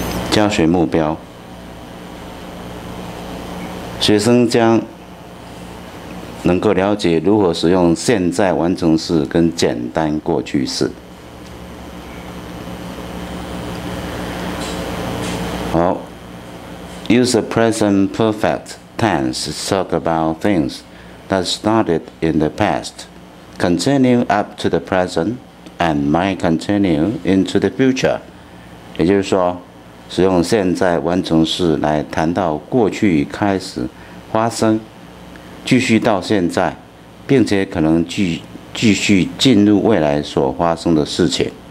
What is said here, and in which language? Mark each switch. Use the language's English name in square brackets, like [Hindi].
[Chinese] 教学目标，学生将能够了解如何使用现在完成式跟简单过去式。 [English] 好，use the present perfect tense to talk about things that started in the past, continue up to the present, and might continue into the future. [Chinese] 也就是说，使用现在完成式来谈到过去开始发生，继续到现在，并且可能继续进入未来所发生的事情。